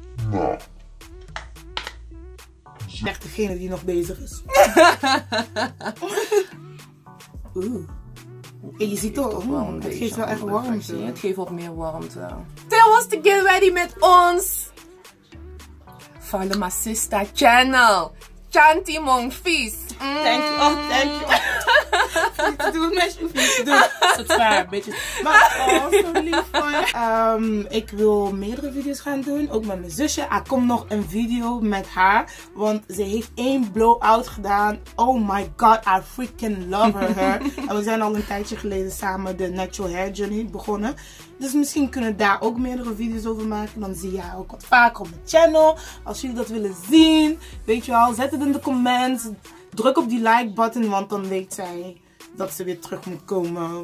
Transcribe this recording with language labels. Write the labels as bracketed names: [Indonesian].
[Dutch] Nou. Zeg degene die nog bezig is. Oeh. En je ziet toch, het geeft wel echt warmte. Het geeft wat meer warmte. Dat was de Get Ready met ons. [English] Follow my sister channel. Chanty Monfies. Thank you. [Dutch] Doe het meisje. Doe het. Dat is waar, beetje. Maar, oh, zo lief van. Ik wil meerdere video's gaan doen. Ook met mijn zusje. Er komt nog een video met haar. Want ze heeft 1 blow-out gedaan. [English] Oh my god, I freaking love her. [Dutch] En we zijn al een tijdje geleden samen de Natural Hair Journey begonnen. Dus misschien kunnen we daar ook meerdere video's over maken. Dan zie je haar ook wat vaker op mijn channel. Als jullie dat willen zien, weet je wel, zet het in de comments. Druk op die like button, want dan weet zij dat ze weer terug moet komen.